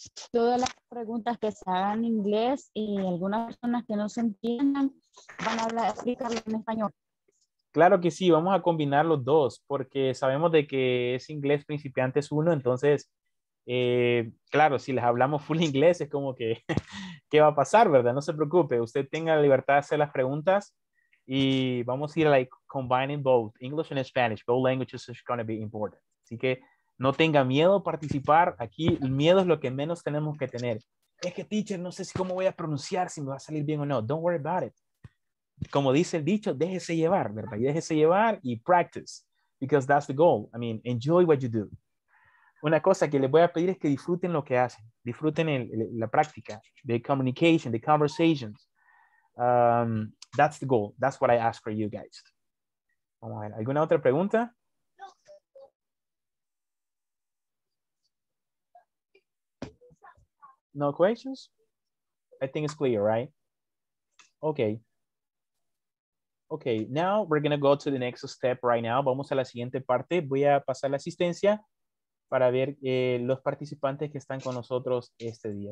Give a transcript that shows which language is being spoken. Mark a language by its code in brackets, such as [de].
[es] Todas las preguntas que se hagan en inglés y algunas personas que no se entiendan van a hablar, explicarlo en español. Claro que sí, vamos a combinar los dos porque sabemos de que es inglés principiantes uno, entonces, claro, si les hablamos full inglés es como que, ¿qué va a pasar, verdad? No se preocupe, usted tenga la libertad de hacer las preguntas. Y vamos a ir [en] like combining both English and Spanish. Both languages is going to be important. [es] Así que no tenga miedo a participar. Aquí el miedo es lo que menos tenemos que tener. Es que teacher, no sé si cómo voy a pronunciar, si me va a salir bien o no. [en] Don't worry about it. [es] Como dice el dicho, déjese llevar, ¿verdad? Déjese llevar y [en] practice. Because that's the goal. I mean, enjoy what you do. [es] Una cosa que les voy a pedir es que disfruten lo que hacen. Disfruten la práctica. [en] The communication, the conversations. That's the goal. That's what I ask for you guys. [es] Vamos a ver. ¿Alguna otra pregunta? [en] No questions? I think it's clear, right? Okay. Okay, now we're going to go to the next step right now. [es] Vamos a la siguiente parte. Voy a pasar la asistencia para ver los participantes que están con nosotros este día.